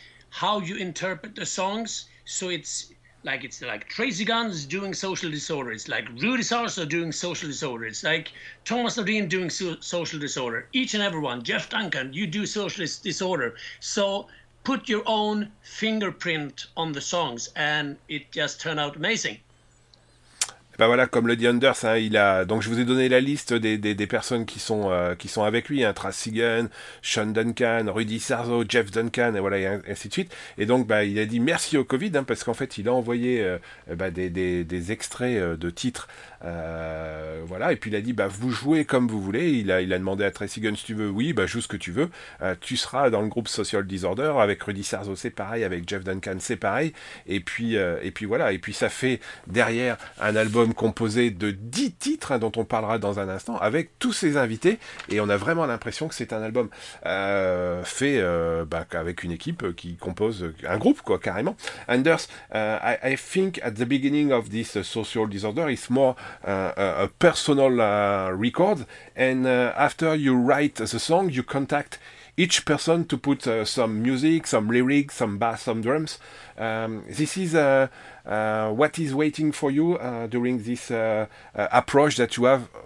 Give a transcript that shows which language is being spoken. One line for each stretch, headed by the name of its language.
English: How you interpret the songs, so it's like Tracy Guns doing Social Disorder, it's like Rudy Sarzo doing Social Disorder, it's like Thomas Nordin doing Social Disorder, each and every one, Jeff Duncan, you do Social Disorder. So put your own fingerprint on the songs, and it just turned out amazing.
French: Ben voilà, comme le dit Anders, hein, il a, donc je vous ai donné la liste des personnes qui sont avec lui, hein, Tracy Gunn, Sean Duncan, Rudy Sarzo, Jeff Duncan, et voilà, et ainsi de suite. Et donc, ben, il a dit merci au Covid, hein, parce qu'en fait, il a envoyé des extraits de titres. Voilà, et puis il a dit bah vous jouez comme vous voulez. Il a demandé à Tracy Guns, tu veux, oui, bah joue ce que tu veux, tu seras dans le groupe Social Disorder avec Rudy Sarzo, c'est pareil, avec Jeff Duncan, c'est pareil, et puis voilà, et puis ça fait derrière un album composé de 10 titres, hein, dont on parlera dans un instant, avec tous ses invités, et on a vraiment l'impression que c'est un album fait avec une équipe qui compose un groupe, quoi, carrément.
English: Anders, I think at the beginning of this Social Disorder it's more a personal record, and after you write the song, you contact each person to put some music, some lyrics, some bass, some drums. This is what is waiting for you during this approach that you have.